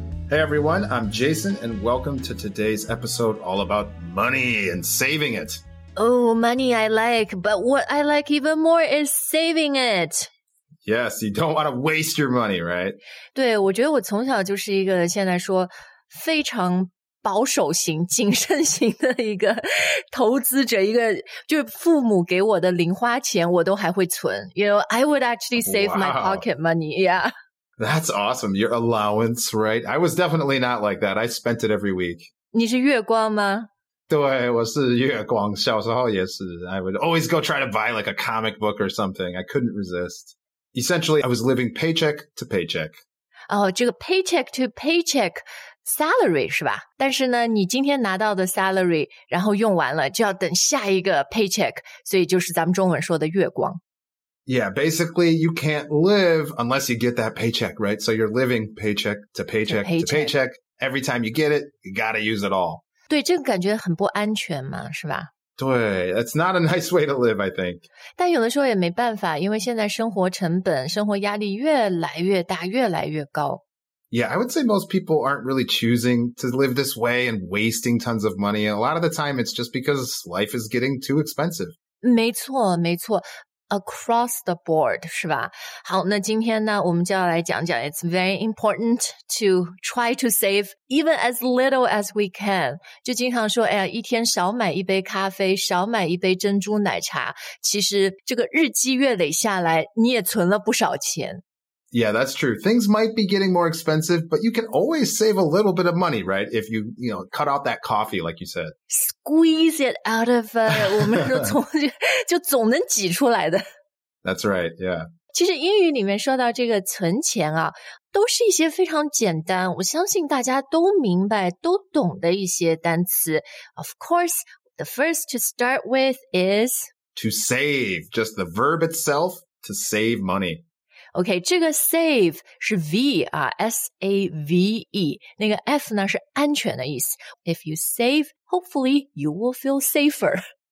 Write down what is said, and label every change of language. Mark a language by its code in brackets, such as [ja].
[en] Hey everyone, I'm Jason, and welcome to today's episode all about money and saving it. Oh, money I like, but what I like even more is saving it. Yes, you don't want to waste your money, right? [zh] 对，我觉得我从小就是一个现在说非常保守型、谨慎型的一个投资者，一个就是父母给我的零花钱我都还会存。 [en] You know, I would actually save my pocket money, yeah. That's awesome. Your allowance, right? I was definitely not like that. I spent it every week. [zh] 你是月光吗？对，我是月光。小时候也是。 [en] I would always go try to buy like a comic book or something. I couldn't resist. Essentially, I was living paycheck to paycheck. [zh] Oh, 这个 paycheck to paycheck salary 是吧？但是呢，你今天拿到的 salary 然后用完了，就要等下一个 paycheck， 所以就是咱们中文说的月光。 [en] Yeah, basically, you can't live unless you get that paycheck, right? So you're living paycheck to paycheck to paycheck. Every time you get it, you gotta use it all. [zh] 对，这个感觉很不安全嘛，是吧？ [en] 对 ,it's not a nice way to live, I think. [zh] 但有的时候也没办法，因为现在生活成本、生活压力越来越大，越来越高。 [en] Yeah, I would say most people aren't really choosing to live this way and wasting tons of money. A lot of the time, it's just because life is getting too expensive. [zh] 没错，没错。 [en] Across the board, [zh] 是吧？好，那今天呢，我们就要来讲讲 [en] It's very important to try to save even as little as we can. [zh] 就经常说，哎呀，一天少买一杯咖啡，少买一杯珍珠奶茶。其实这个日积月累下来，你也存了不少钱。 [en] Yeah, that's true. Things might be getting more expensive, but you can always save a little bit of money, right? If you, you know, cut out that coffee, like you said. Squeeze it out of, [zh] 我们说从就总能挤出来的。 [en] That's right, yeah. [zh] 其实英语里面说到这个存钱啊，都是一些非常简单，我相信大家都明白，都懂的一些单词。 [en] Of course, the first to start with is... To save, just the verb itself, to save money. [zh] OK, 这个 save 是 V, 啊 S-A-V-E, 那个 F 呢是安全的意思。 [en] If you save, hopefully you will feel safer.